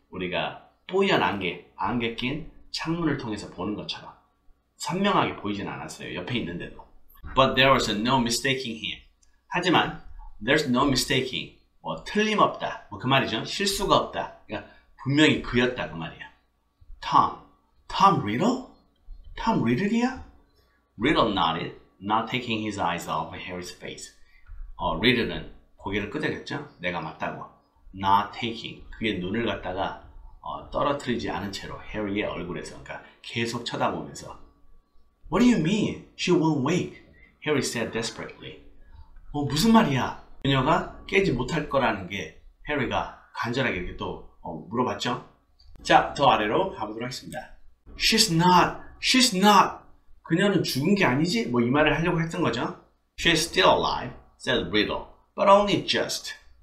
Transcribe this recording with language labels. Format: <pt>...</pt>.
<ko>우리가 뿌연 안개 낀 창문을 통해서 보는 것처럼. 선명하게 보이진 않았어요.</ko> <en>옆에 있는데도. But there was no mistaking him. 하지만 there's no mistaking.</en> <ko>뭐 틀림없다. 뭐 그 말이죠. 실수가 없다. 그러니까 분명히 그였다 그 말이야. Tom Riddle? Tom Riddle이야?</ko> <en>Riddle nodded, not taking his eyes off Harry's face.</en> <ko>Riddle는 고개를 끄덕였죠. 내가 맞다고. Not taking, 그의 눈을 갖다가 떨어뜨리지 않은 채로 Harry의 얼굴에서, 그러니까 계속 쳐다보면서. What do you mean? She won't wake.</ko> <en>Harry said desperately. 무슨 말이야?</en> <ko>그녀가 깨지 못할 거라는 게 Harry가 간절하게 이렇게 또 물어봤죠. 자, 더 아래로 가보도록 하겠습니다. She's not. 그녀는 죽은 게 아니지? 뭐 이 말을 하려고 했던 거죠.</ko> <en>She's still alive, said Riddle, but only just.</en>